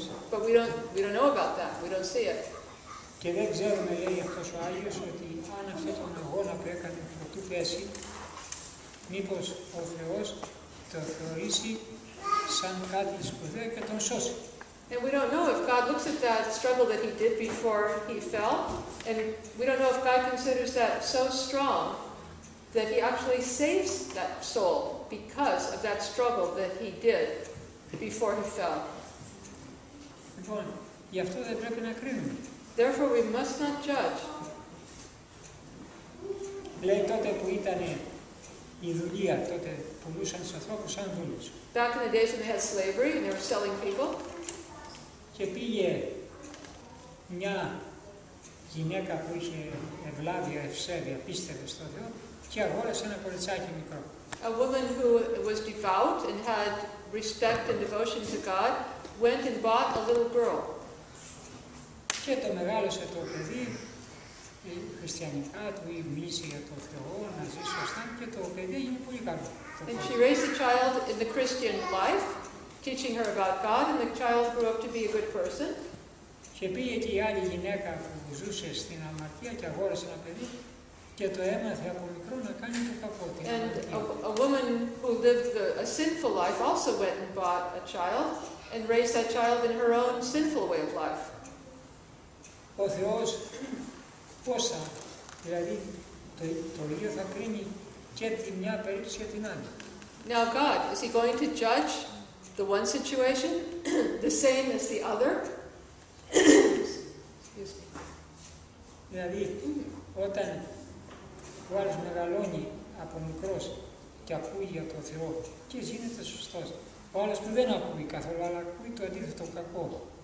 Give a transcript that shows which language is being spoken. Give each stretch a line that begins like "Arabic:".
English: But we don't know about that, we don't see it.
Greek: Και δεν ξέρουμε, λέει αυτός ο Άγιος, ότι αν αυτόν τον αγώνα που έκανε πρωτού πέσει, μήπως ο Θεός το θεωρήσει σαν κάτι σπουδαίο και τον σώσει.
English: And we don't know if God looks at that struggle that he did before he fell, and we don't know if God considers that so strong that he actually saves that soul because of that struggle that he did before he fell.
Greek: Λοιπόν, γι' αυτό δεν πρέπει να κρίνουμε.
English: Therefore, we must not judge.
Greek: Λέει τότε που ήταν η δουλεία, τότε πουλούσαν τους ανθρώπους σαν δούλους.
English: Back in the days when they had slavery and they were selling people.
Greek: Και πήγε μια γυναίκα που είχε ευλάβεια, ευσέβεια, πίστευε στο Θεό και αγόρασε ένα κοριτσάκι μικρό.
English: A woman who was devout and had respect and devotion to God went and bought a little girl.
Greek: Και το μεγάλωσε το παιδί χριστιανικά, του μίλησε για τον Θεό, να ζει σωστά και το παιδί έγινε πολύ καλό.
English: And she raised the child in the Christian life, teaching her about God, and the child grew up to be a good person.
Greek: Και πήγε και η άλλη γυναίκα που ζούσε στην αμαρτία και αγόρασε ένα παιδί και το έμαθε από μικρό να κάνει το κακό.
English: And a woman who lived a sinful life also went and bought a child and raised that child in her own sinful way of life.
Greek: Ο Θεός πόσα, δηλαδή το ίδιο θα κρίνει και τη μια περίπτωση και την άλλη.
English: Now God, is he going to judge the one situation the same as the other?
Greek: Δηλαδή, όταν ο άλλος μεγαλώνει από μικρός και ακούει για το Θεό και γίνεται σωστός, ο άλλος που δεν ακούει καθόλου, αλλά ακούει το αντίθετο κακό,